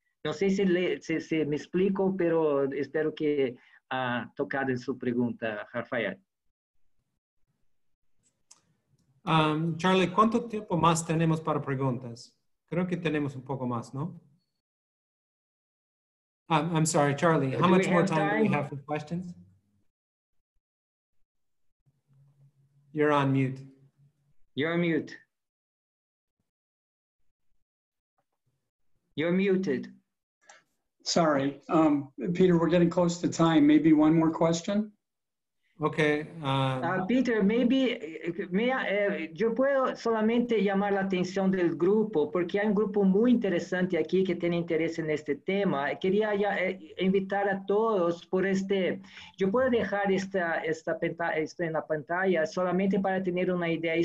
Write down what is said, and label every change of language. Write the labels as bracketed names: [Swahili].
[Spanish] No sé si me explico, pero espero que tocado en su pregunta, Rafael. Charlie, ¿cuánto tiempo más tenemos para preguntas? Creo que tenemos un poco más, ¿no? [English] I'm sorry, Charlie, how much more time do we have for questions? You're on mute. You're mute. You're muted. Sorry, Peter, we're getting close to time. Maybe one more question. Okay. [Spanish] Peter, maybe yo puedo solamente llamar la atención del grupo porque hay un grupo muy interesante aquí que tiene interés en este tema. Quería ya invitar a todos por este. Yo puedo dejar esta en la pantalla solamente para tener una idea.